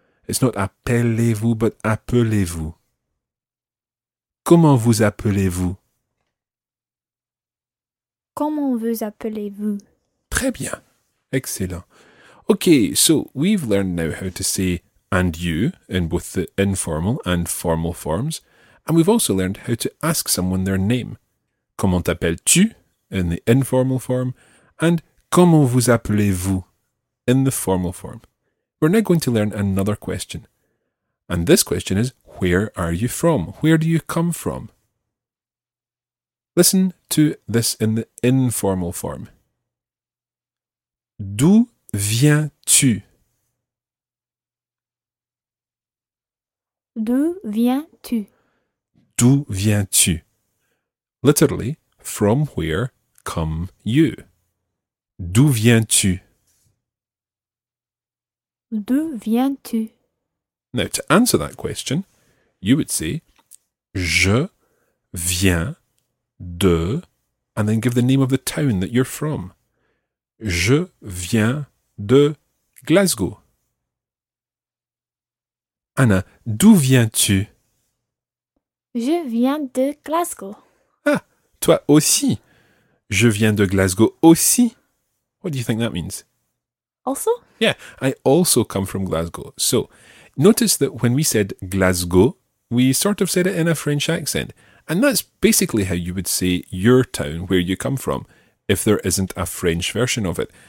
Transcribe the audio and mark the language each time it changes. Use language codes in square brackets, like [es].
[en] It's not [fr] appelez-vous, [en] but [fr] appelez-vous. Comment vous appelez-vous? Comment vous appelez-vous? Très bien. Excellent. [en] Okay, so we've learned now how to say and you in both the informal and formal forms. And we've also learned how to ask someone their name. [fr] Comment t'appelles-tu [en] in the informal form? And [fr] comment vous appelez-vous [en] in the formal form? We're now going to learn another question. And this question is, where are you from? Where do you come from? Listen to this in the informal form. [fr] D'où viens-tu? D'où viens-tu? D'où viens-tu? [en] Literally, from where come you? [fr] D'où viens-tu? D'où viens-tu? [en] Now, to answer that question, you would say, [fr] je viens de, [en] and then give the name of the town that you're from. [fr] Je viens de Glasgow. Anna, d'où viens-tu? Je viens de Glasgow. Ah, toi aussi. Je viens de Glasgow aussi. [en] What do you think that means? Also? Yeah, I also come from Glasgow. So, notice that when we said Glasgow, we sort of said it in a French accent. And that's basically how you would say your town, where you come from, if there isn't a French version of it.